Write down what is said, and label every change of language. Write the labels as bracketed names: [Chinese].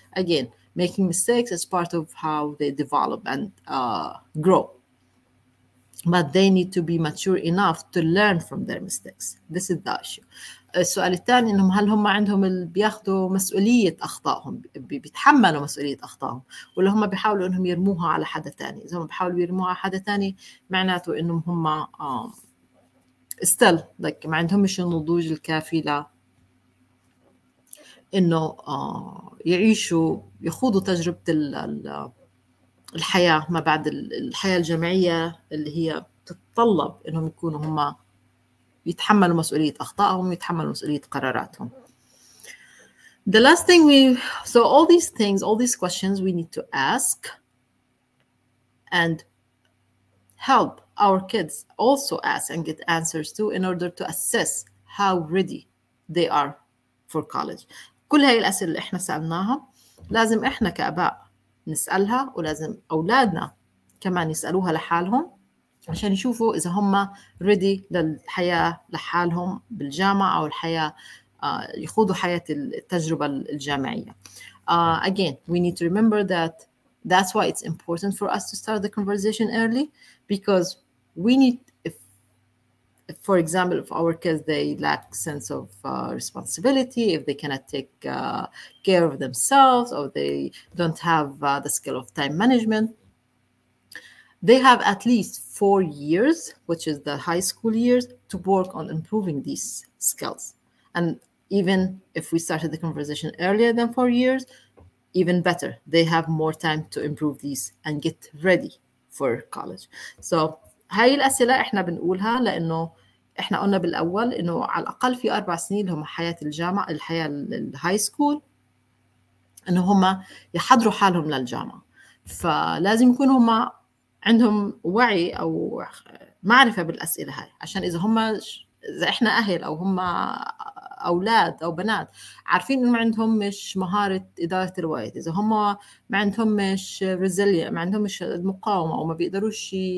[English] Again, making mistakes is part of how they develop and grow. But they need to be mature enough to learn from their mistakes. This is the issue. [Arabic] السؤال الثاني إنهم هل هم عندهم بياخدوا مسؤولية أخطائهم, بيتحملوا مسؤولية أخطائهم, ولا هم بيحاولوا إنهم يرموها على حدا تاني؟ إذا هم بيحاولوا يرموها على حدا تاني, معناته إنهم هم [English] still like [Arabic] ما عندهمش النضوج الكافي ل إنه يعيشوا, يخوضوا تجربة الحياة ما بعد الحياة الجامعية اللي هي تتطلب إنهم يكونوا هما يتحملوا مسؤولية أخطائهم ويتحملوا مسؤولية قراراتهم. [English] The last thing we, so all these things, all these questions we need to ask and help our kids also ask and get answers to in order to assess how ready they are for college. [Arabic] كل هاي الأسئلة اللي احنا سألناها لازم احنا كأباء نسألها ولازم أولادنا كمان يسألوها لحالهم عشان يشوفوا إذا هم ready للحياة لحالهم بالجامعة أو الحياة يخوضوا حياة التجربة الجامعية. [English] Again, we need to remember that that's why it's important for us to start the conversation early because we need, if for example, if our kids, they lack sense of responsibility, if they cannot take care of themselves or they don't have the skill of time management, they have at least 4 years, which is the high school years, to work on improving these skills. And even if we started the conversation earlier than 4 years, even better, they have more time to improve these and get ready for college. [Arabic] So, هاي الأسئلة إحنا بنقولها لأنه إحنا قلنا بالأول إنه على الأقل في 4 سنين هم حياة الجامعة الحياة الهاي سكول إنه هم يحضروا حالهم للجامعة. فلازم يكون هم عندهم وعي أو معرفة بالأسئلة هاي عشان إذا هم إذا إحنا أهل أو هم أولاد أو بنات عارفين إنه ما عندهم مش مهارة إدارة الوقت، إذا هم ما عندهم مش resilient، ما عندهم مش المقاومة أو ما بيقدروش